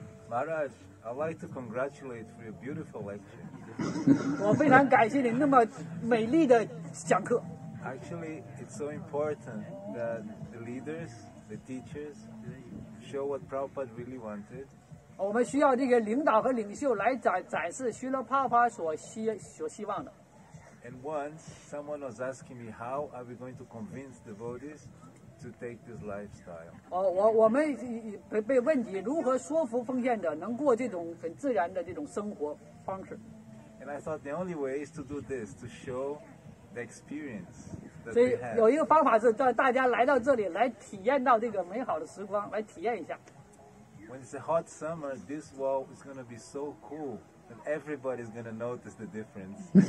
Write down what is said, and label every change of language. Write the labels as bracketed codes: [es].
[en] Maharaj, I'd like to congratulate for your beautiful lecture. [zh] 我非常感谢您那么美丽的讲课 [en] Actually, it's so important that the leaders, the teachers show what Prabhupada really wanted [zh] 我们需要这个领导和领袖来展示须勒帕帕所希望的 [en] And once, someone was asking me how are we going to convince devotees to take this lifestyle [zh] 我们被问及如何说服奉献者能过这种很自然的这种生活方式 [en] And I thought the only way is to do this, to show the experience that they have. [zh] 有一个方法是让大家来到这里来体验到这个美好的时光，来体验一下。 [en] When it's a hot summer, this wall is going to be so cool that everybody is going to notice the difference.